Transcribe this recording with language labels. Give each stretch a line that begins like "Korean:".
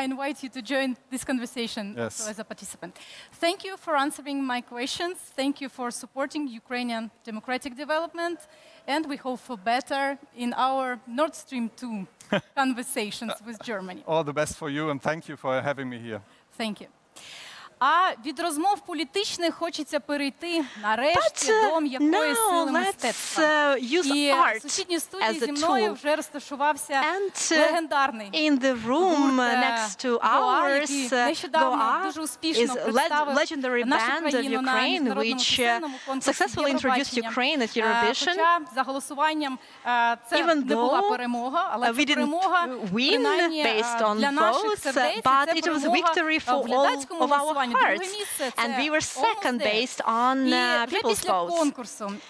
English: I invite you to join this conversation as a participant. Thank you for answering my questions. Thank you for supporting Ukrainian democratic development. And we hope for better in our Nord Stream 2 conversations with Germany. All the best for you, and thank you for having me here. Thank you.
Ukrainian: А від розмов політичних хочеться перейти нарешті до м'якої сили мистецтва. І в сусідній студії зі мною вже розташувався легендарний
English: in the room next to ours,
Ukrainian: нещодавно дуже успішно представив нашу країну на міжнародному конкурсі
English: successfully introduced Ukraine at Eurovision.
Ukrainian: Хоча за голосуванням це не була перемога, але це перемога для наших сердець, це перемога в глядацькому голосуванні.
English: Hearts. And we were second based on people's votes.